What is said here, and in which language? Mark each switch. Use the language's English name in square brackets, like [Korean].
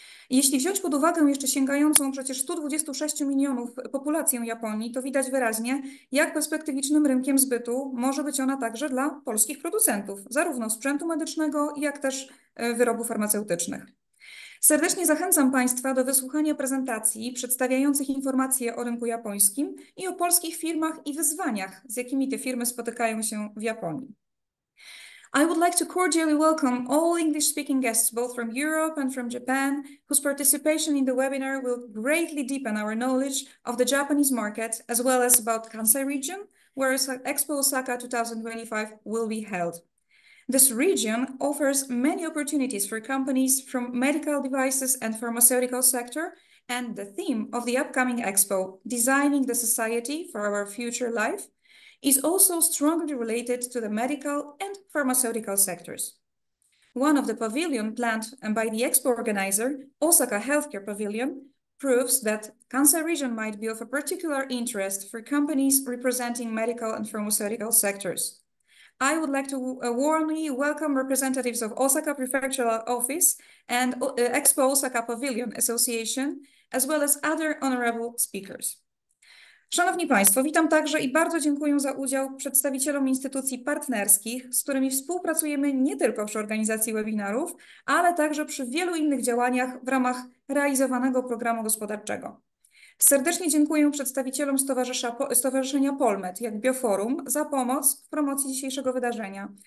[Polish] Jeśli wziąć pod uwagę jeszcze sięgającą przecież 126 milionów populację Japonii, to widać wyraźnie, jak perspektywicznym rynkiem zbytu może być ona także dla polskich producentów, zarówno sprzętu medycznego, jak też wyrobów farmaceutycznych. Serdecznie zachęcam Państwa do wysłuchania prezentacji przedstawiających informacje o rynku japońskim i o polskich firmach i wyzwaniach, z jakimi te firmy spotykają się w Japonii. [English] I would like to cordially welcome all English-speaking guests, both from Europe and from Japan, whose participation in the webinar will greatly deepen our knowledge of the Japanese market, as well as about Kansai region, where Expo Osaka 2025 will be held. This region offers many opportunities for companies from medical devices and pharmaceutical sector, and the theme of the upcoming Expo, Designing the Society for Our Future Life, is also strongly related to the medical and pharmaceutical sectors. One of the pavilions planned by the Expo organizer, Osaka Healthcare Pavilion, proves that Kansai region might be of a particular interest for companies representing medical and pharmaceutical sectors. I would like to warmly welcome representatives of Osaka Prefectural Office and Expo Osaka Pavilion Association, as well as other honorable speakers. [Polish] Szanowni Państwo, witam także i bardzo dziękuję za udział przedstawicielom instytucji partnerskich, z którymi współpracujemy nie tylko przy organizacji webinarów, ale także przy wielu innych działaniach w ramach realizowanego programu gospodarczego. Serdecznie dziękuję przedstawicielom Stowarzyszenia Polmed, jak Bioforum, za pomoc w promocji dzisiejszego wydarzenia.